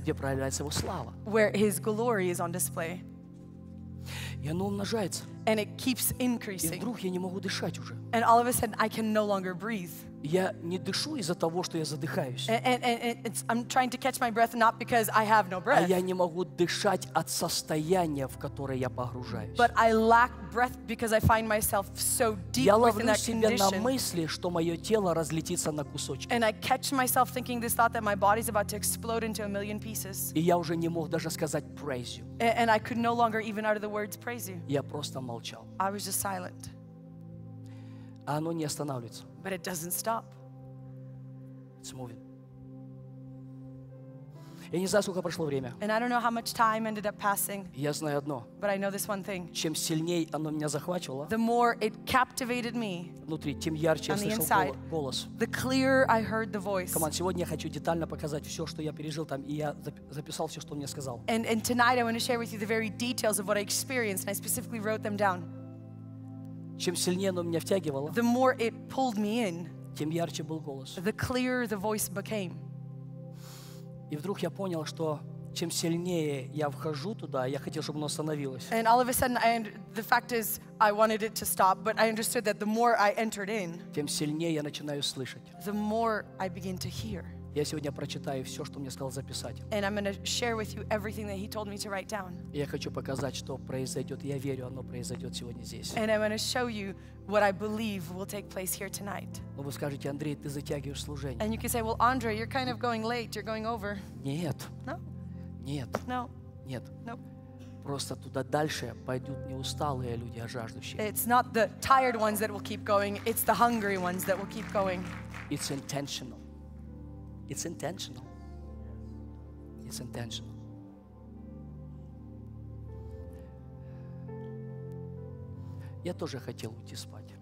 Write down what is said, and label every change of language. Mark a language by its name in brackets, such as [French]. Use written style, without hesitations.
[Russian] Где проявляется его слава. [English] Where his glory is on display. [Russian] И оно умножается. [English] And it keeps increasing. [Russian] И вдруг я не могу дышать уже. [English] And all of a sudden I can no longer breathe. [Russian] Я не дышу из-за того, что я задыхаюсь. [English] And I'm trying to catch my breath not because I have no breath. [Russian] А я не могу дышать от состояния, в которое я погружаюсь. [English] But I lack breath because I find myself so deep within that condition. [Russian] Я ловлю себя на мысли, что мое тело разлетится на кусочки. [English] And I catch myself thinking this thought that my body's about to explode into a million pieces. [Russian] И я уже не мог даже сказать [English] praise you. And I could no longer even utter the words praise you. [Russian] Я просто молчал. [English] I was just silent. [Russian] А оно не останавливается. [English] But it doesn't stop. It's moving. [Russian] Я не знаю, сколько прошло время. [English] And I don't know how much time ended up passing. [Russian] Я знаю одно. [English] But I know this one thing. [Russian] Чем сильнее оно меня захватывало, [English] the more it captivated me. [Russian] Внутри, тем ярче я слышал голос. [English] The clearer I heard the voice. Come on, [Russian] сегодня я хочу детально показать все, что я пережил там, и я записал все, что мне сказал. [English] And tonight I want to share with you the very details of what I experienced, and I specifically wrote them down. [Russian] Чем сильнее оно меня втягивало, [English] the more it pulled me in, [Russian] тем ярче был голос. [English] The clearer the voice became. [Russian] И вдруг я понял, что чем сильнее я вхожу туда, я хотел, чтобы оно остановилось. [English] And all of a sudden, the fact is, I wanted it to stop, but I understood that the more I entered in, [Russian] тем сильнее я начинаю слышать. [English] The more I begin to hear. [Russian] Я сегодня прочитаю все, что мне сказал записать. [English] And I'm going to share with you everything that he told me to write down. [Russian] И я хочу показать, что произойдет. Я верю, оно произойдет сегодня здесь. [English] And I'm going to show you what I believe will take place here tonight. [Russian] Но вы скажете, Андрей, ты затягиваешь служение. [English] And you can say, well, Andrey, you're kind of going late, you're going over. [Russian] Нет. [English] No. [Russian] Нет. [English] No. [Russian] Нет. [English] No. [Russian] Просто туда дальше пойдут не усталые люди, а жаждущие. [English] It's not the tired ones that will keep going, it's the hungry ones that will keep going. It's intentional. It's intentional. It's intentional. [Russian] Я тоже хотел уйти спать.